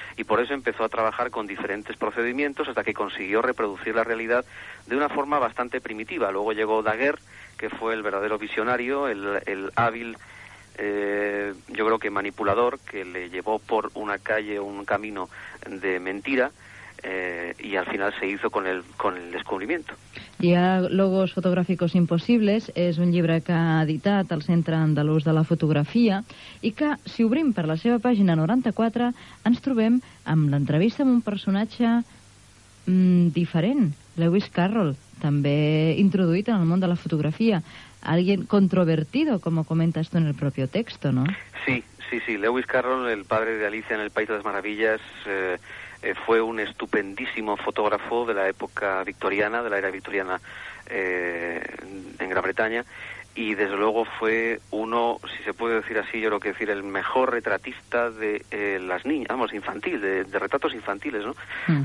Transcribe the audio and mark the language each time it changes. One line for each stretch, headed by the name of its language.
Spanish: Y por eso empezó a trabajar con diferentes procedimientos hasta que consiguió reproducir la realidad de una forma bastante primitiva. Luego llegó Daguerre, que fue el verdadero visionario, el hábil, yo creo que manipulador, que le llevó por una calle, un camino de mentira, y al final se hizo con el descubrimiento.
Catalan: Diàlogos fotogràfics impossibles és un llibre que ha editat el Centre Andalús de la Fotografia i que, si obrim per la seva pàgina 94, ens trobem amb l'entrevista amb un personatge diferent, Lewis Carroll, també introduït en el món de la fotografia.
Spanish: Alguien controvertido, como comentas tú en el propio texto, ¿no? Sí, sí, sí. Lewis Carroll, el padre de Alicia en el País de las Maravillas, fue un estupendísimo fotógrafo de la época victoriana, de la era victoriana en Gran Bretaña, y desde luego fue uno, si se puede decir así, yo creo que decir el mejor retratista de las niñas, vamos, infantil, de retratos infantiles, ¿no? Mm.